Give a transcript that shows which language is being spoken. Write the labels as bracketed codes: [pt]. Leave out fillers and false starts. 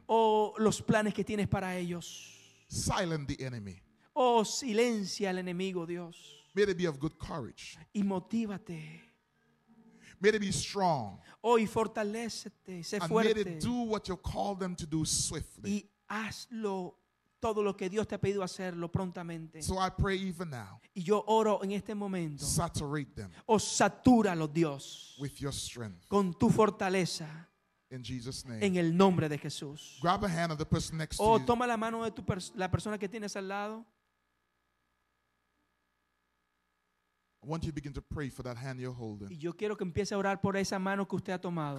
[es] O los planes que tienes para ellos. [en] Silence the enemy. [es] Oh, silencia al enemigo, Dios. [en] May they be of good courage. [es] Y motívate. [en] May they be strong. [es] Oh, y fortalécete, sé [en] and [es] fuerte. [en] May they do what you called them to do swiftly. [es] Y hazlo todo lo que Dios te ha pedido hacerlo prontamente. [en] So I pray even now. [es] Y yo oro en este momento. [en] Saturate them. [es] Oh, satúralo, Dios. [en] With your strength. [es] Con tu fortaleza. [en] In Jesus' name. [es] En el nombre de Jesús. [en] Grab a hand of the person next [es] oh, [en] to you. [es] Oh, toma la mano de la persona que tienes al lado. [en] I want you to begin to pray for that hand you're holding. [es] Y yo quiero que empiece a orar por esa mano que usted ha tomado.